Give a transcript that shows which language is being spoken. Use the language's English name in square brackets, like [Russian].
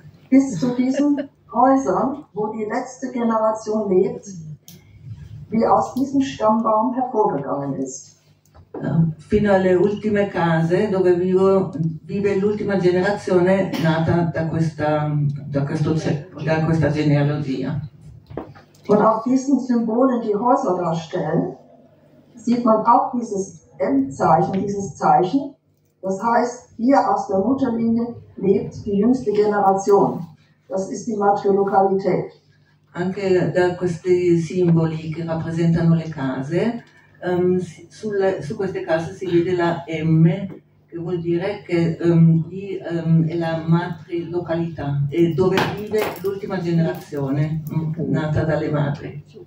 [German] Bis zu diesen Häusern, wo die letzte Generation lebt, wie aus diesem Stammbaum hervorgegangen ist. [Italian] Fino alle ultime case dove vive l'ultima generazione nata da questa genealogia. [German] Und auf diesen Symbolen, die Häuser darstellen, sieht man auch dieses M-Zeichen, dieses Zeichen. Das heißt, hier aus der Mutterlinie lebt die jüngste Generation. Das ist die Matriolokalität. [Italian] Anche da questi simboli che rappresentano le case. Su queste case si vede la M, che vuol dire che lì è la matrilocalità, e dove vive l'ultima generazione nata dalle madri.